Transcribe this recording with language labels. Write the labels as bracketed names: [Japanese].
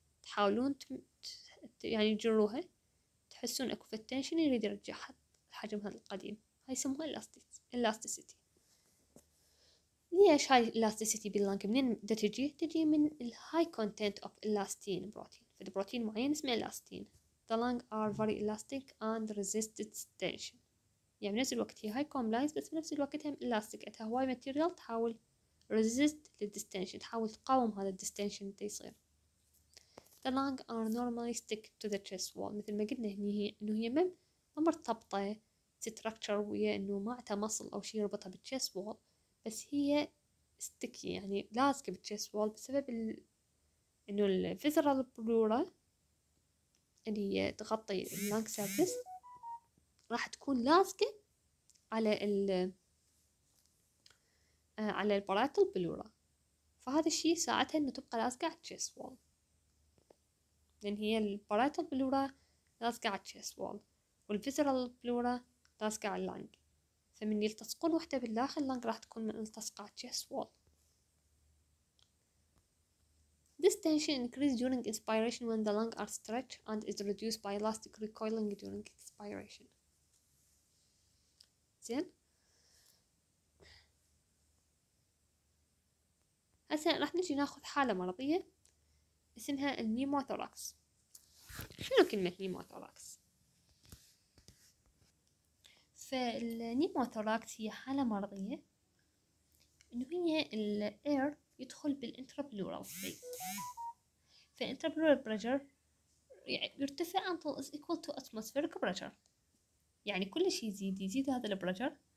[Arabic] تحاولون يعني تجروها تحسون اكو في التنشن يريد يرجعها حجمها القديم، هاي يسموها الاستيسيتي. ليش هاي الاستيسيتي باللانك منين دا تجي؟ تجي من الهاي كونتنت اوف الاستين بروتين، فدي بروتين معين اسمه الاستين. [English] The lung are very elastic and resist tension. [Arabic] يعني نفس الوقت هي هاي كوملاينز بس بنفس الوقت هم الاستيك، اتها هواي ماتيريال تحاول resist للديستنشن، تحاول تقاوم هذا الديستنشن اللي يصير. [English] The lung are normally stick to the chest wall. [Arabic] مثل ما قلنا هني هي انه هي ما مرتبطة structure ويا انه ما عتها مصل او شيء يربطها بالchest wall، بس هي sticky يعني لازقة بالchest wall بسبب انه ال visceral pleura اللي هي تغطي اللانج سيرفيس راح تكون لازقة على ال على البراتل بلورا، فهذا الشيء ساعتها انه تبقى لازقة على تشيس وول، لان هي البراتل بلورا لازقة على تشيس وول والفيزرال بلورا لازقة على اللانج، فمن يلتصقون وحدة بالداخل اللانج راح تكون ملتصقة على تشيس وول. [English] This tension increases during inspiration when the lungs are stretched and is reduced by elastic recoiling during expiration. [Arabic] زين؟ هسه راح نجي ناخذ حالة مرضية اسمها النيموثوراكس. شنو كلمة نيموثوراكس؟ فالنيموثوراكس هي حالة مرضية انه هي الـ air يدخل بالانترابلورال سبيس، فالانترابلورال بريشر يعني يرتفع [English] until is equal to atmospheric pressure، [Arabic] يعني كل شيء يزيد يزيد هذا البريشر.